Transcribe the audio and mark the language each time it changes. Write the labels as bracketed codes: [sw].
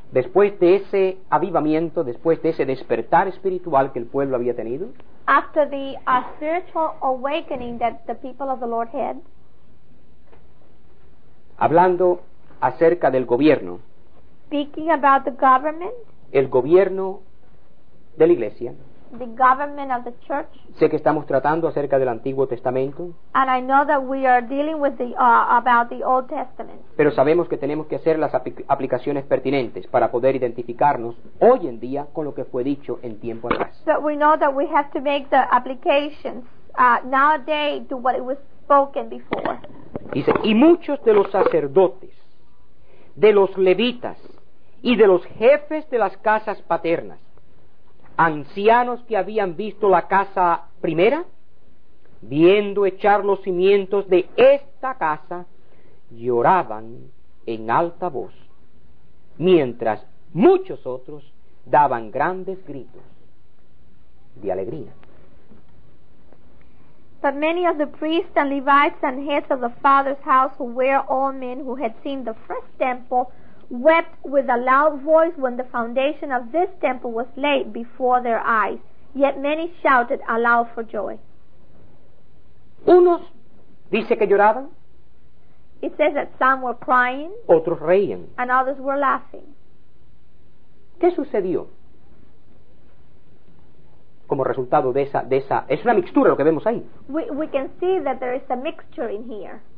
[es] Después de ese avivamiento, después de ese despertar espiritual que el pueblo había tenido. [en] After the spiritual awakening that the people of the Lord had. [es] Hablando acerca del gobierno. [en] Speaking about the government. [es] El gobierno de la iglesia. [en] The government of the church. [es] Sé que estamos tratando acerca del Antiguo Testamento. [en] And I know that we are dealing with about the Old Testament. [es] Pero sabemos que tenemos que hacer las aplicaciones pertinentes para poder identificarnos hoy en día con lo que fue dicho en tiempo atrás. [en] But we know that we have to make the applications nowadays to what it was spoken before. [es] Dice, y muchos de los sacerdotes, de los levitas y de los jefes de las casas paternas, ancianos que habían visto la casa primera, viendo echar los cimientos de esta casa, lloraban en alta voz, mientras muchos otros daban grandes gritos de alegría. [en] But many of the priests and Levites and heads of the father's house, who were all men who had seen the first temple, wept with a loud voice when the foundation of this temple was laid before their eyes. Yet many shouted aloud for joy. [es] Unos dice que lloraban. [en] It says that some were crying. [es] Otros reían. [en] And others were laughing. [es] ¿Qué sucedió? Como resultado de esa, es una mixtura lo que vemos ahí. [en] We can see that there is a mixture in here.